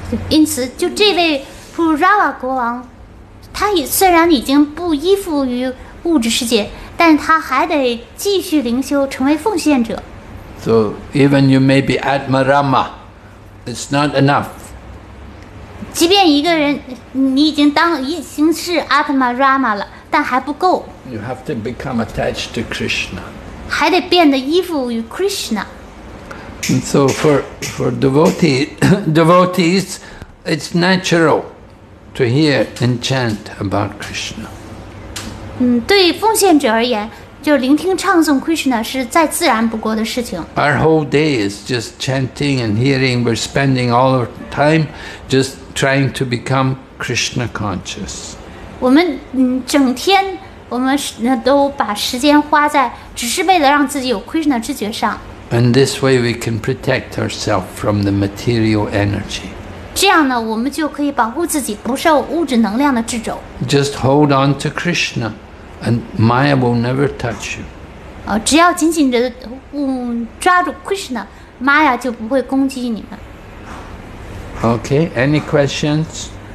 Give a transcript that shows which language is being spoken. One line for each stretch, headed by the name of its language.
Chinese: 因此，就这位 Pururava 国王，他也虽然已经不依附于物质世界，但他还得继续灵修，成为奉献者。
English: So even you may be Atmarama, it's not enough.
Chinese: 即便一个人，你已经当已经是 Atmarama 了，但还不够。
English: You have to become attached to Krishna.
Chinese: 还得变得依附于 Krishna.
English: And so for devotees, it's natural to hear and chant about Krishna.
Chinese: 对奉献者而言。就聆听唱诵 Krishna 是再自然不过的事情。
English: Our whole day is just chanting and hearing. We're spending all our time just trying to become Krishna conscious.
Chinese: 我们整天我们都把时间花在只是为了让自己有 Krishna 知觉上。
English: And this way we can protect ourselves from the material energy.
Chinese: 这样呢，我们就可以保护自己不受物质能量的掣肘。
English: Just hold on to Krishna. And Maya will never touch you.
Chinese: 只要紧紧地抓住 Krishna, Maya 就不会攻击你们。
English: Okay, any questions?